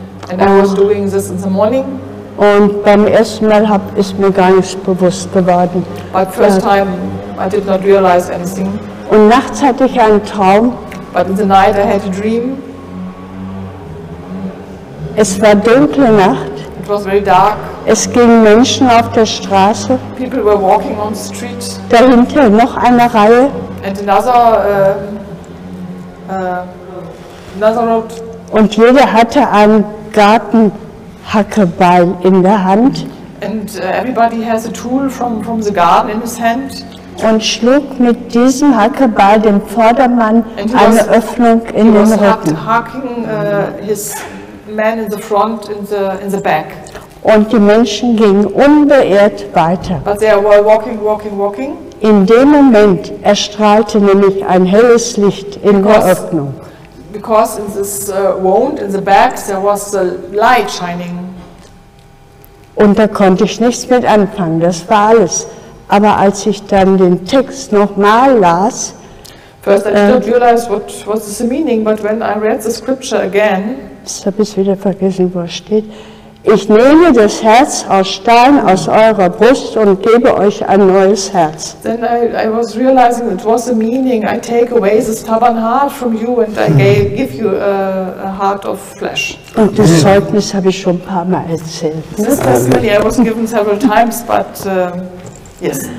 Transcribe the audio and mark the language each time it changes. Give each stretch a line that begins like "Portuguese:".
English: And I was doing this in the morning.
German: Und beim ersten Mal ist mir gar nichts bewusst geworden.
English: But first time I did not realize anything.
German: Und nachts hatte ich einen Traum.
English: But in the night I had a dream.
German: Es war dunkle Nacht.
English: It was very dark.
German: Es gingen Menschen auf der Straße.
English: People were walking on the street.
German: Dahinter noch eine Reihe.
English: And another road.
German: Und jeder hatte einen Garten. Hackebeil in der Hand.
English: And everybody has a tool from the garden in his hand.
German: Und schlug mit diesem Hackebeil dem Vordermann eine Öffnung in den Rücken.
English: He was hacking his man in the front in the back.
German: Und die Menschen gingen unbeirrt weiter.
English: But they were walking.
German: In dem Moment erstrahlte nämlich ein helles Licht in der Öffnung.
English: Because in this wound in the back there was the light shining.
German: Und da konnte ich nichts mit anfangen, das war alles. Aber als ich dann den Text nochmal las,
English: first I didn't realize what was the meaning, but when I read the scripture again,
German: jetzt habe ich wieder vergessen, wo es steht. Ich nehme das Herz aus Stein aus eurer Brust und gebe euch ein neues Herz.
English: Then I was realizing it was the meaning. I take away the stubborn heart from you and I give you a heart of flesh.
German: Und das Zeugnis habe ich schon ein paar Mal erzählt.
English: This testimony I was given several times, but yes.